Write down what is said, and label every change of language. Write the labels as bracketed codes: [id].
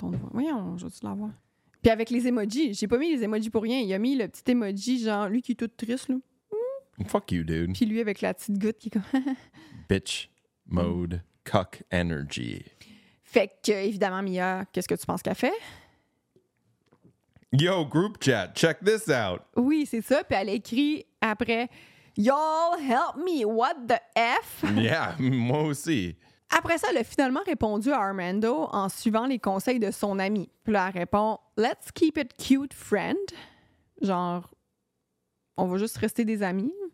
[fr] Voyons, je veux-tu la voir? Puis avec les emojis, j'ai pas mis les emojis pour rien. Il a mis le petit emoji, genre, lui qui est tout triste, là. [en] Fuck you, dude. [fr] Puis lui avec la petite goutte qui est comme... [en] Bitch mode cuck energy. [fr] Fait que, évidemment, Mia, qu'est-ce que tu penses qu'elle fait? [en] Yo, group chat, check this out. [fr] Oui, c'est ça. Puis elle écrit après, [en] y'all help me, what the F? [fr] Yeah, moi aussi. Après ça, elle a finalement répondu à Armando en suivant les conseils de son ami. Puis là, elle répond, [en] let's keep it cute, friend. [fr] Genre, on va juste rester des amis.